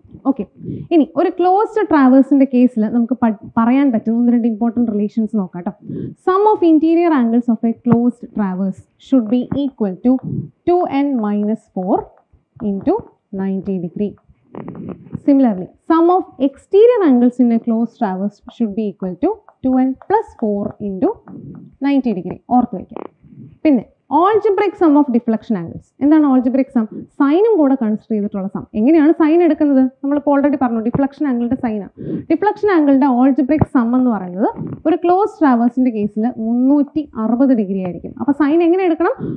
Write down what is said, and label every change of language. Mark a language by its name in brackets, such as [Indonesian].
[Malayalam] Okay, ഇനി ഒരു closed ട്രാവേഴ്സിന്റെ കേസിൽ നമുക്ക് പറയാൻ പറ്റുന്ന ഒന്ന് രണ്ട് ഇമ്പോർട്ടന്റ് റിലേഷൻസ് നോക്കാം കേട്ടോ. [English] Sum of interior angles of a closed traverse should be equal to 2n-4 into 90 degrees. Similarly, sum of exterior angles in a closed traverse should be equal to 2n+4 into 90 degrees. [Malayalam] ഓർത്ത് വയ്ക്കുക. പിന്നെ [English] Algebraic sum of deflection angles. [Malayalam] എന്താണ് algebraic some? സൈനും കൂടെ consider ചെയ്തിട്ടുള്ള some. എങ്ങനെയാണ് sign എടുക്കുന്നത്? നമ്മളിപ്പോൾ already പറഞ്ഞു ഡിഫ്ലക്ഷൻ ആംഗിളിന്റെ സൈനാണ്. ഡിഫ്ലക്ഷൻ ആംഗിളിന്റെ ആൾജിബ്രിക് സം എന്ന് പറയുന്നത് ഒരു ക്ലോസ് ട്രാവേഴ്സിന്റെ കേസിൽ 360 degrees ആയിരിക്കും. അപ്പൊ സൈൻ എങ്ങനെ എടുക്കണം?